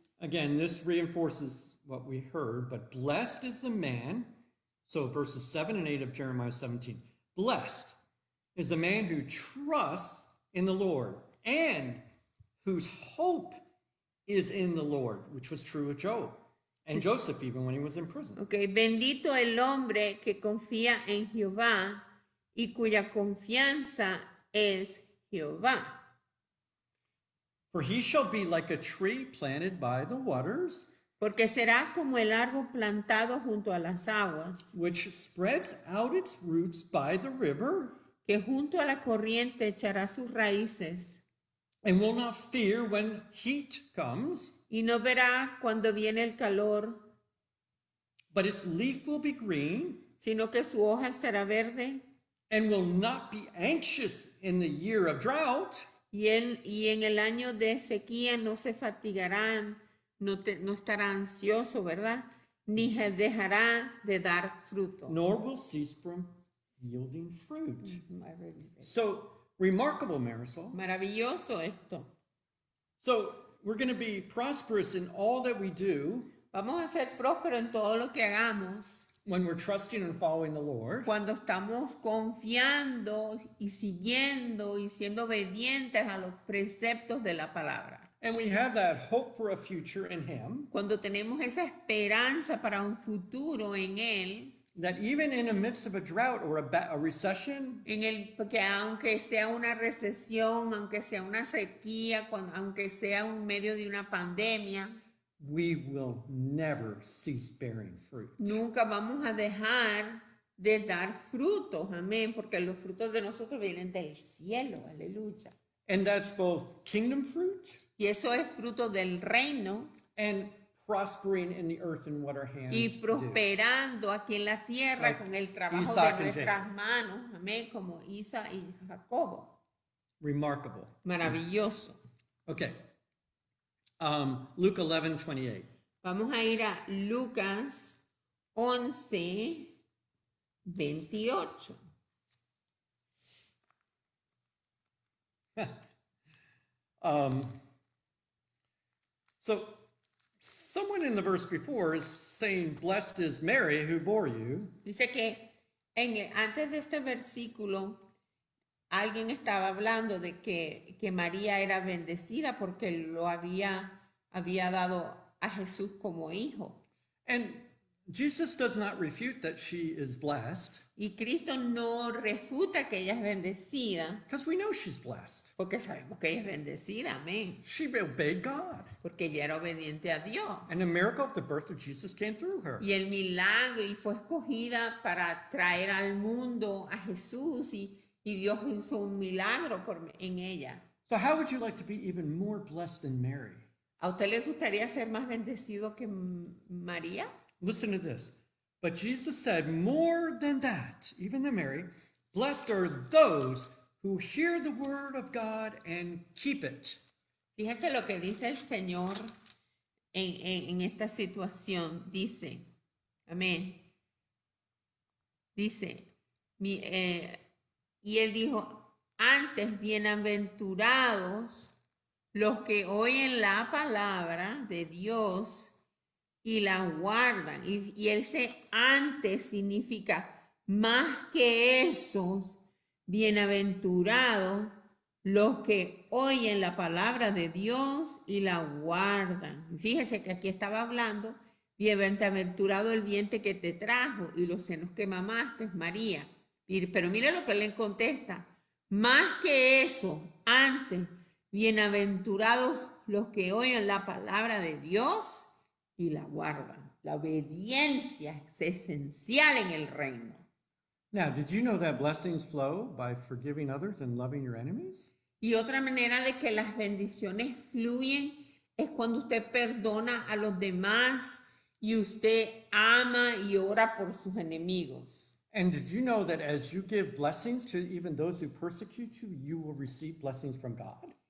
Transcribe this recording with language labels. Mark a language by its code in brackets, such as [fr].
[en] Again, this reinforces what we heard, but blessed is the man, so verses 7 and 8 of Jeremiah 17, blessed is the man who trusts in the Lord and whose hope is in the Lord, which was true of Job. And Joseph, even when he was in prison. [es] Okay, bendito el hombre que confía en Jehová y cuya confianza es Jehová. [en] For he shall be like a tree planted by the waters. [es] Porque será como el árbol plantado junto a las aguas. [en] Which spreads out its roots by the river. [es] Que junto a la corriente echará sus raíces. [en] And will not fear when heat comes. [es] Y no verá cuando viene el calor, [en] but its leaf will be green, [es] sino que su hoja estará verde, [en] and will not be anxious in the year of drought, [es] y en el año de sequía no se fatigarán, no estará ansioso, ¿verdad? Ni dejará de dar fruto. [en] Nor will cease from yielding fruit. So, remarkable, Marisol. [es] Maravilloso esto. [en] So, we're going to be prosperous in all that we do. [es] Vamos a ser prósperos en todo lo que hagamos. [en] When we're trusting and following the Lord. [es] Cuando estamos confiando y siguiendo y siendo obedientes a los preceptos de la palabra. [en] And we have that hope for a future in Him. [es] Cuando tenemos esa esperanza para un futuro en Él. [en] That even in the midst of a drought or a recession, [es] en el que aunque sea una recesión, aunque sea una sequía, aunque sea en medio de una pandemia, [en] we will never cease bearing fruit. [es] Nunca vamos a dejar de dar frutos, amén, porque los frutos de nosotros vienen del cielo, aleluya. [en] And that's both kingdom fruit. [es] Y eso es fruto del reino. [en] And prospering in the earth and what our hands do. [es] Y prosperando aquí en la tierra [en] like [es] con el trabajo Isaac de nuestras manos. Amén. Como Isa y Jacobo. [en] Remarkable. [es] Maravilloso. [en] Okay. Luke 11, 28. [es] Vamos a ir a Lucas 11, 28. [en] So someone in the verse before is saying, blessed is Mary who bore you. [es] Dice que en el, antes de este versículo, alguien estaba hablando de que María era bendecida porque lo había dado a Jesús como hijo. [en] And Jesus does not refute that she is blessed. [es] Y Cristo no refuta que ella es bendecida. [en] Because we know she's blessed. [es] Porque sabemos que ella es bendecida, amén. [en] She obeyed God. [es] Porque ella era obediente a Dios. [en] And the miracle of the birth of Jesus came through her. [es] Y el milagro, y fue escogida para traer al mundo a Jesús, y Dios hizo un milagro en ella. [en] So how would you like to be even more blessed than Mary? [es] ¿A usted le gustaría ser más bendecido que María? [en] Listen to this. But Jesus said, more than that, even than Mary, blessed are those who hear the word of God and keep it. [es] Fíjese lo que dice el Señor en esta situación. Dice, amén. Dice, y él dijo, antes bienaventurados los que oyen la palabra de Dios y la guardan. Y él se antes significa más que esos, bienaventurados los que oyen la palabra de Dios y la guardan. Fíjese que aquí estaba hablando, bienaventurado el vientre que te trajo y los senos que mamaste, María. Pero mire lo que le contesta, más que eso, antes, bienaventurados los que oyen la palabra de Dios y la guardan. La obediencia es esencial en el reino. [en] Now, did you know that blessings flow by forgiving others and loving your enemies? [es] Y otra manera de que las bendiciones fluyen es cuando usted perdona a los demás y usted ama y ora por sus enemigos. [en] And did you know that as you give blessings to even those who persecute you, you will receive blessings from God?